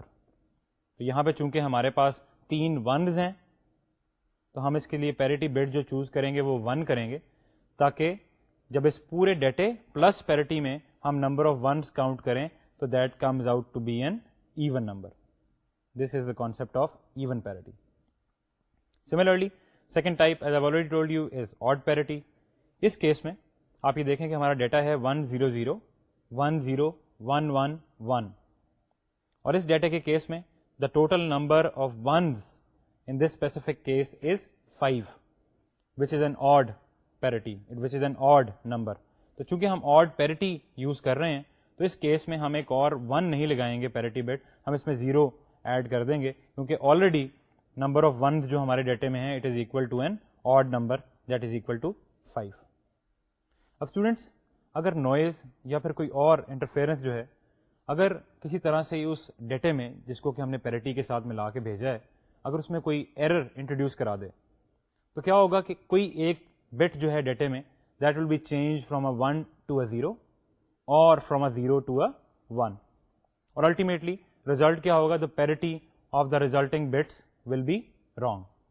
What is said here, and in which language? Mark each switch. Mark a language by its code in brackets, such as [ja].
[ur] تو یہاں پہ چونکہ ہمارے پاس تین ونز ہیں تو ہم اس کے لیے پیرٹی بٹ جو چوز کریں گے وہ 1 کریں گے تاکہ جب اس پورے ڈیٹے پلس پیرٹی میں ہم نمبر آف ونس کاؤنٹ کریں تو [en] That comes out to be an even number. This is the concept of even parity. Similarly second type as I already told you is odd parity. [ur] اس case میں آپ یہ دیکھیں کہ ہمارا data ہے 100 10 111 اور اس ڈیٹے کے کیس میں [en] The total number of ones in this specific case is 5 which is an odd parity, which is an odd number. [ur] تو چونکہ ہم odd parity use کر رہے ہیں تو اس کیس میں ہم ایک اور 1 نہیں لگائیں گے parity bit, ہم اس میں 0 ایڈ کر دیں گے کیونکہ آلریڈی نمبر آف ونز جو ہمارے ڈیٹے میں ہیں [en] It is equal to an odd number that is equal to 5. [ur] اب اسٹوڈنٹس اگر نوائز یا پھر کوئی اور انٹرفیئرنس جو ہے اگر کسی طرح سے اس ڈیٹے میں جس کو کہ ہم نے parity کے ساتھ ملا کے بھیجا ہے اگر اس میں کوئی ایرر انٹروڈیوس کرا دے تو کیا ہوگا کہ کوئی ایک بٹ جو ہے ڈیٹے میں [en] That will be change from a 1 to a 0 or from a 0 to a 1. Or ultimately, result [ur] kya hoga, [en] the parity of the resulting bits will be wrong.